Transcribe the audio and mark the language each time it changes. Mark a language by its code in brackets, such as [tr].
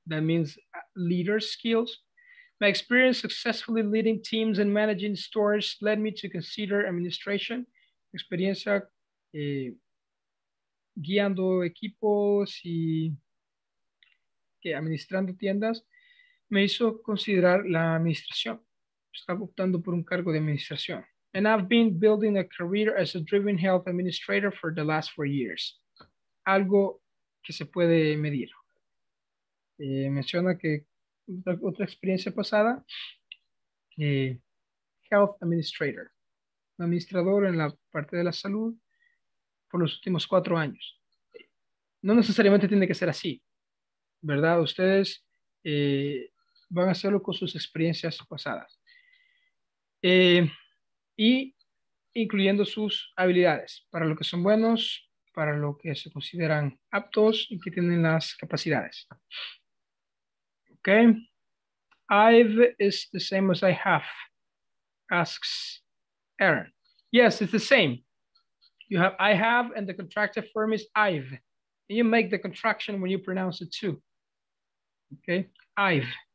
[en] That means leader skills. My experience successfully leading teams and managing stores led me to consider administration. [es] Experiencia guiando equipos y que administrando tiendas me hizo considerar la administración. Estaba optando por un cargo de administración. [en] And I've been building a career as a driven health administrator for the last 4 years. [es] Algo que se puede medir. Menciona que otra experiencia pasada, health administrator, un administrador en la parte de la salud por los últimos 4 años. No necesariamente tiene que ser así, ¿verdad? Ustedes van a hacerlo con sus experiencias pasadas. Y incluyendo sus habilidades, para lo que son buenos, para lo que se consideran aptos y que tienen las capacidades. [en] Okay. I've is the same as I have, asks Aaron. Yes, it's the same. You have I have and the contractive form is I've. And you make the contraction when you pronounce it too. Okay, I've.